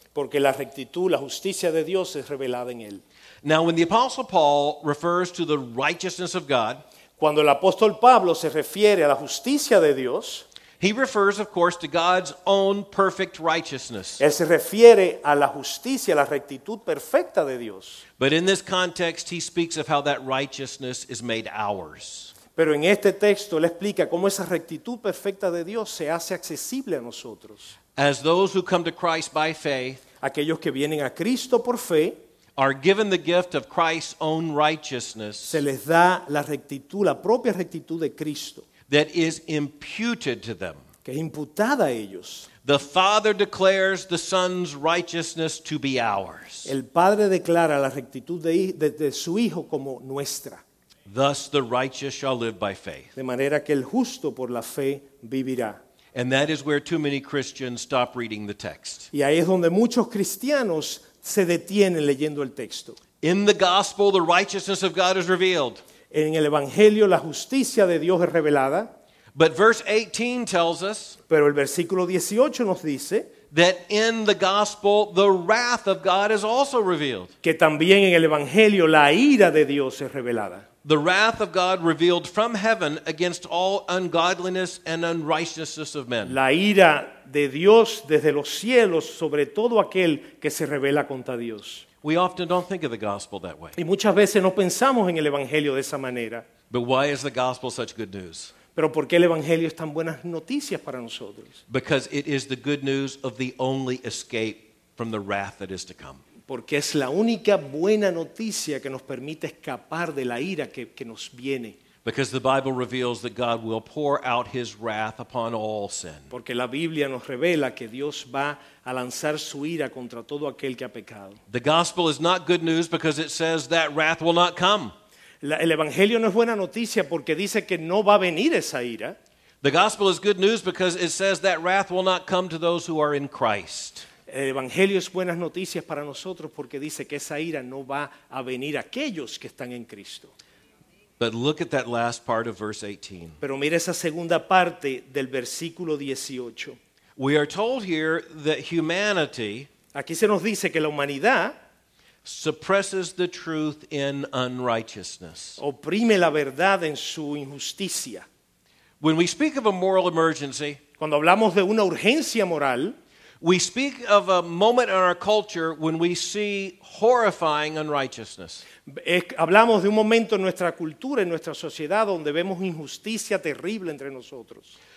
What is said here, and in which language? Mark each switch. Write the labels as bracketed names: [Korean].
[Spanish] Porque la rectitud, la justicia de Dios es revelada en él. [English] Now when the apostle Paul refers to the righteousness of God, [Spanish] cuando el apóstol Pablo se refiere a la justicia de Dios, [English] he refers, of course, to God's own perfect righteousness. [Spanish] Él se refiere a la justicia, a la rectitud perfecta de Dios. [English] But in this context, he speaks of how that righteousness is made ours. [Spanish] Pero en este texto, él explica cómo esa rectitud perfecta de Dios se hace accesible a nosotros. [English] As those who come to Christ by faith, [Spanish] aquellos que vienen a Cristo por fe, [English] are given the gift of Christ's own righteousness. [Spanish] Se les da la rectitud, la propia rectitud de Cristo. [English] That is imputed to them. [Spanish] que es imputada a ellos. [English] The Father declares the Son's righteousness to be ours. [Spanish] El Padre declara la rectitud de su Hijo como nuestra. [English] Thus the righteous shall live by faith. [Spanish] De manera que el justo por la fe vivirá. [English] And that is where too many Christians stop reading the text. [Spanish] Y ahí es donde muchos cristianos se detienen leyendo el texto. [English] In the gospel, the righteousness of God is revealed. [Spanish] En el evangelio, la justicia de Dios es revelada. [English] But verse 18 tells us, [Spanish] pero el versículo 18 nos dice, [English] that in the gospel, the wrath of God is also revealed. [Spanish] Que también en el evangelio, la ira de Dios es revelada. [English] The wrath of God revealed from heaven against all ungodliness and unrighteousness of men. [Spanish] La ira de Dios desde los cielos sobre todo aquel que se rebela contra Dios. [English] We often don't think of the gospel that way. [Spanish] Y muchas veces no pensamos en el evangelio de esa manera. [English] But why is the gospel such good news? [Spanish] Pero ¿por qué el evangelio es tan buenas noticias para nosotros? [English] Because it is the good news of the only escape from the wrath that is to come. [Spanish] Porque es la única buena noticia que nos permite escapar de la ira que nos viene. [English] Because the Bible reveals that God will pour out his wrath upon all sin. [Spanish] Porque la Biblia nos revela que Dios va a lanzar su ira contra todo aquel que ha pecado. [English] The gospel is not good news because it says that wrath will not come. [Spanish] El evangelio no es buena noticia porque dice que no va a venir esa ira. [English] The gospel is good news because it says that wrath will not come to those who are in Christ. [Spanish] El evangelio es buenas noticias para nosotros porque dice que esa ira no va a venir a aquellos que están en Cristo. [English] But look at that last part of verse 18. [Spanish] Pero mira esa segunda parte del versículo 18. [English] We are told here that humanity, [Spanish] aquí se nos dice que la humanidad, [English] suppresses the truth in unrighteousness. [Spanish] Oprime la verdad en su injusticia. [English] When we speak of a moral emergency, [Spanish] cuando hablamos de una urgencia moral, [English] we speak of a moment in our culture when we see horrifying unrighteousness. [Spanish] Hablamos de un momento en nuestra cultura, en nuestra sociedad, donde vemos injusticia terrible entre nosotros.